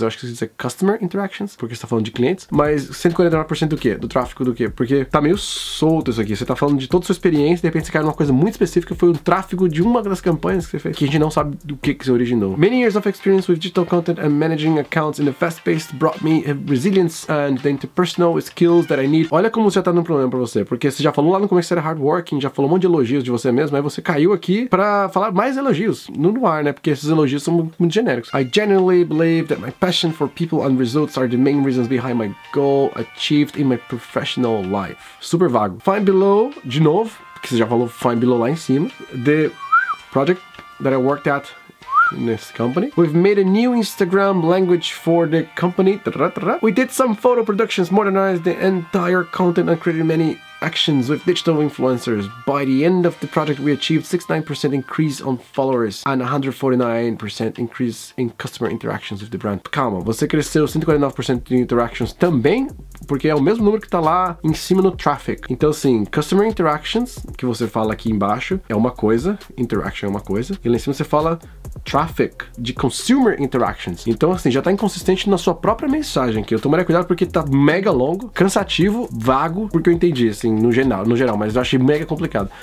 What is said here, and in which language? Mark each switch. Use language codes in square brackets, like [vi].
[pt] Eu acho que isso é customer interactions, porque você tá falando de clientes, mas 149% do quê? Do tráfego do quê? Porque tá meio solto isso aqui, você tá falando de toda a sua experiência, de repente você caiu numa coisa muito específica, foi o tráfego de uma das campanhas que você fez, que a gente não sabe do que se originou. [en] Many years of experience with digital content and managing accounts in a fast-paced brought me resilience and the interpersonal skills that I need. [pt] Olha como você já tá dando problema pra você, porque você já falou lá no começo que você era hardworking, já falou um monte de elogios de você mesmo, aí você caiu aqui pra falar mais elogios, no ar, né, porque esses elogios são muito genéricos. [en] I genuinely believe that my passion for people and results are the main reasons behind my goal achieved in my professional life. [pt] Super vago. [en] Find below, [pt] de novo, porque você já falou find below lá em cima, [en] the project that I worked at. [pt] Nesse [en] company. We've made a new Instagram language for the company. We did some photo productions, modernized the entire content and created many actions with digital influencers. By the end of the project, we achieved 69% increase on followers and 149% increase in customer interactions with the brand. [pt] Calma, você cresceu 149% de interactions também? Porque é o mesmo número que tá lá em cima no traffic. Então, assim, customer interactions, que você fala aqui embaixo, é uma coisa. Interaction é uma coisa. E lá em cima você fala traffic de consumer interactions. Então, assim, já tá inconsistente na sua própria mensagem aqui. Eu tomaria cuidado porque tá mega longo, cansativo, vago, porque eu entendi, assim, no geral, mas eu achei mega complicado.